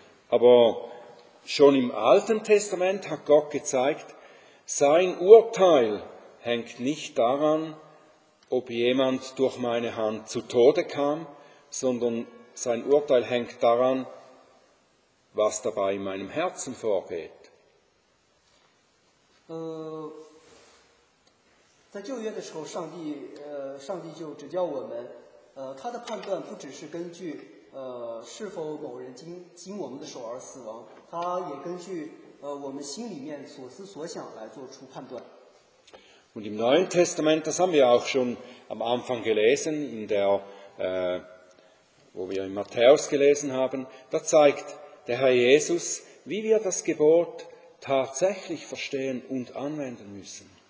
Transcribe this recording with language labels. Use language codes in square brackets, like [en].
[de] Aber schon im Alten Testament hat Gott gezeigt, sein Urteil hängt nicht daran, ob jemand durch meine Hand zu Tode kam, sondern sein Urteil hängt daran, was dabei in meinem Herzen vorgeht. [zh] 在旧约的时候，上帝就指教我们，他的判断不只是根据是否某人经我们的手而死亡，他也根据我们心里面所思所想来做出判断。 [de] Und im Neuen Testament, das haben wir auch schon am Anfang gelesen, in der, wo wir in Matthäus gelesen haben, da zeigt der Herr Jesus, wie wir das Gebot tatsächlich verstehen und anwenden müssen.